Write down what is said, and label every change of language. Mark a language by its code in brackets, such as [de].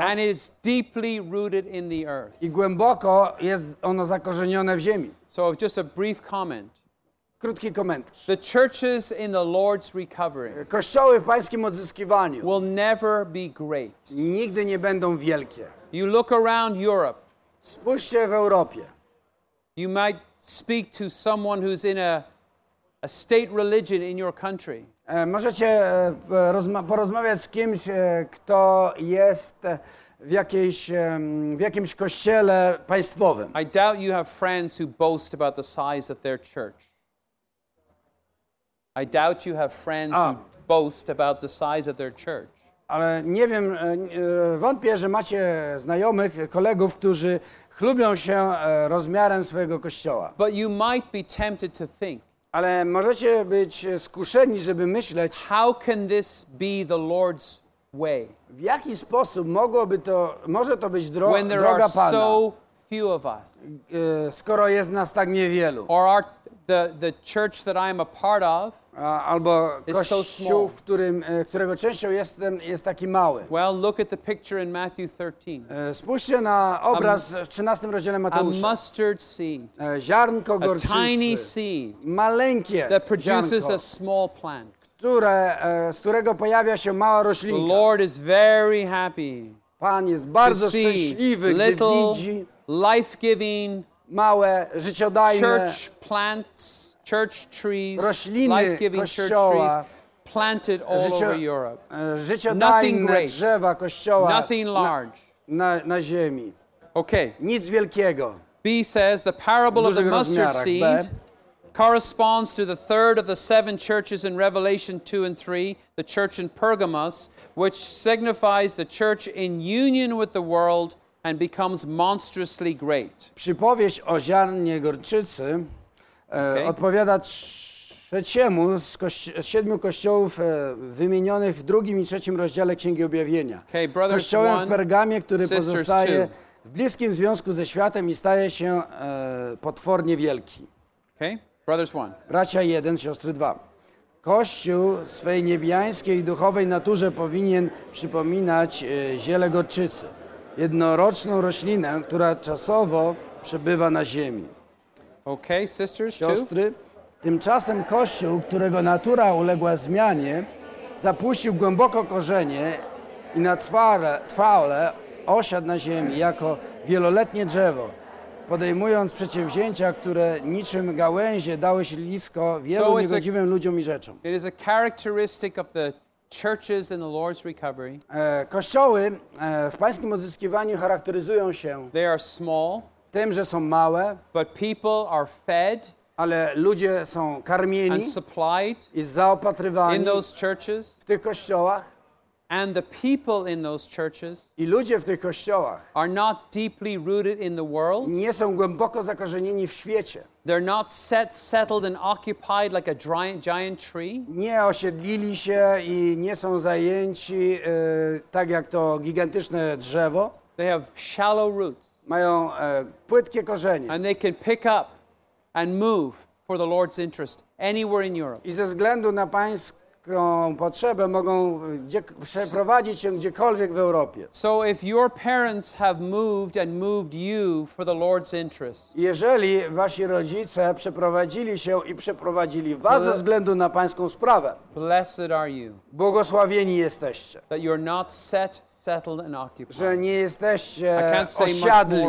[en] And it is deeply rooted in the earth. [pl] I głęboko jest ono zakorzenione w ziemi. [en] So just a brief comment. [pl] Krótki komentarz. [en] The churches in the Lord's recovering. [pl] Kościoły w Pańskim odzyskiwaniu. [en] Will never be great. [pl] Nigdy nie będą wielkie. [en] You look around Europe. [pl] Spójrzcie w Europie. [en] You might speak to someone who's in a state religion in your country. [pl] Możecie porozmawiać z kimś, kto jest w jakimś kościele państwowym. [en] I doubt you have friends who boast about the size of their church. I doubt you have friends who boast about the size of their church. [pl] Ale nie wiem, wątpię, że macie znajomych, kolegów, którzy chlubią się rozmiarem swojego kościoła. [en] But you might be tempted to think. [pl] Ale możecie być skuszeni, żeby myśleć, [en] how can this be the Lord's way? [pl] W jaki sposób może to być droga Pana? [en] When there are so few of us. [pl] Skoro jest nas tak niewielu. [en] Or the church that I am a part of, [pl] albo kościół, którego częścią jestem, jest taki mały. [en] Well, look at the picture in Matthew 13. [pl] Spójrzcie na obraz w 13 rozdziale Mateusza. [en] A mustard seed. [pl] Ziarnko gorczycy. [en] A tiny seed. [pl] Maleńkie. [en] That produces a small plant. [pl] Z którego pojawia się mała roślinka. [en] The Lord is very happy. [pl] Pan jest bardzo szczęśliwy, gdy widzi [en] life-giving. [pl] Małe, życiodajne [en] church plants, church trees, [pl] rośliny [en] life-giving [pl] kościoła, [en] church trees planted all over Europe. [pl] Życiodajne drzewa kościoła. [en] Nothing large. [pl] Na ziemi. [en] Okay. [pl] Nic wielkiego. [en] B says the parable of the mustard seed corresponds to the third of the seven churches in Revelation 2 and 3, the church in Pergamos, which signifies the church in union with the world and becomes monstrously great. [pl] Przypowieść o ziarnie gorczycy odpowiada trzeciemu z siedmiu kościołów wymienionych w drugim i trzecim rozdziale Księgi Objawienia. [en] Okay, brothers [pl] kościołem [en] one, [pl] w Pergamie, który pozostaje w bliskim związku ze światem i staje się potwornie wielki. [en] Okay, brothers one. [pl] Bracia jeden, siostry dwa. Kościół swej niebiańskiej duchowej naturze powinien przypominać ziele gorczycy. Jednoroczną roślinę, która czasowo przebywa na ziemi. [en] Okay, sisters, [pl] siostry, [en] two. [pl] Tymczasem kościół, którego natura uległa zmianie, zapuścił głęboko korzenie i na trwale osiadł na ziemi jako wieloletnie drzewo, podejmując przedsięwzięcia, które niczym gałęzie dały siedlisko wielu niegodziwym ludziom i rzeczom. [en] It is a characteristic of the churches in the Lord's recovery. [pl] Kościoły w pańskim odzyskiwaniu charakteryzują się. [en] They are small. [pl] Tym, że są małe. [en] But people are fed. [pl] Ale ludzie są karmieni. [en] And supplied. [pl] I zaopatrywani. [en] In those churches. [pl] W tych kościołach. [en] And the people in those churches. [pl] I ludzie w tych kościołach. [en] Are not deeply rooted in the world. [pl] Nie są głęboko zakorzenieni w świecie. [en] They're not settled and occupied like a giant tree. [pl] Nie osiedlili się i nie są zajęci tak jak to gigantyczne drzewo. [en] They have shallow roots. [pl] Mają płytkie korzenie. [en] And they can pick up and move for the Lord's interest anywhere in Europe. [pl] I ze względu na pańską potrzebę mogą przeprowadzić się gdziekolwiek w Europie. [en] So if your parents have moved and moved you for the Lord's interest. [pl] Jeżeli wasi rodzice przeprowadzili się i przeprowadzili was ze względu na pańską sprawę. [en] Blessed are you. [pl] Błogosławieni jesteście. [en] That you're not settled and occupied. [pl] Że nie jesteście osiadli